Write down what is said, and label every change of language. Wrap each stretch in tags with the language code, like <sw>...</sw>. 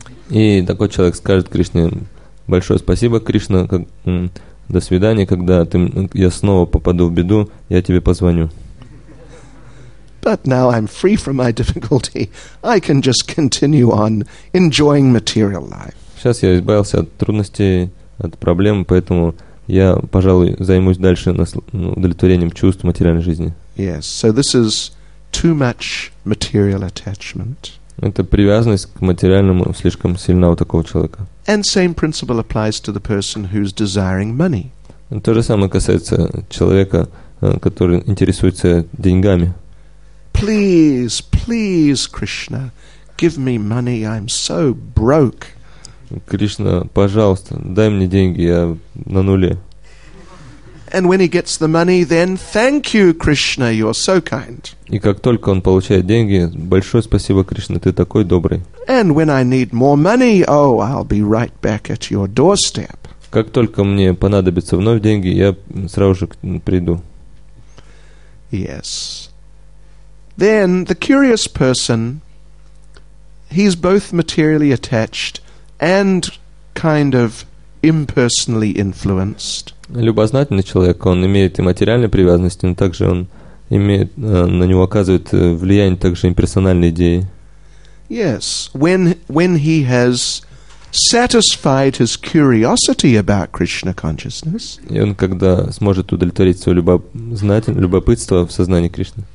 <ru>И такой человек скажет Кришне: «Большое спасибо, Кришна, до свидания, когда я снова попаду в беду, я тебе позвоню».</ru> <en>But now I'm free from my difficulty. I can just continue on enjoying material life.</en> <ru>Сейчас я избавился от трудностей, от проблем, поэтому я, пожалуй, займусь дальше удовлетворением чувств материальной жизни.</ru> <en>Yes, so this is too much material attachment.</en> <ru>Это привязанность к материальному слишком сильна у такого человека.</ru> <en>And same principle applies to the person who's desiring money.</en> <ru>То же самое касается человека, который интересуется деньгами.</ru> <en>Please, please, Krishna, give me money. I'm so broke.</en> <ru>Кришна, пожалуйста, дай мне деньги, я на нуле.</ru> <en>And when he gets the money, then thank you, Krishna, you're so kind.</en> <ru>И как только он получает деньги, большое спасибо, Кришна, ты такой добрый.</ru> <en>And when I need more money, oh, I'll be right back at your doorstep.</en> <ru>Как только мне понадобятся вновь деньги, я сразу же приду.</ru> <en>Yes. Then the curious person, he's both materially attached and kind of impersonally influenced.</en> <ru>Любознательный человек, он имеет и материальные привязанности, но также он имеет, на него оказывает влияние также имперсональные идеи.</ru> <en>Yes, when he has satisfied his curiosity about Krishna consciousness.</en> <ru>И он когда сможет удовлетворить свое любопытство в сознании Кришны.</ru>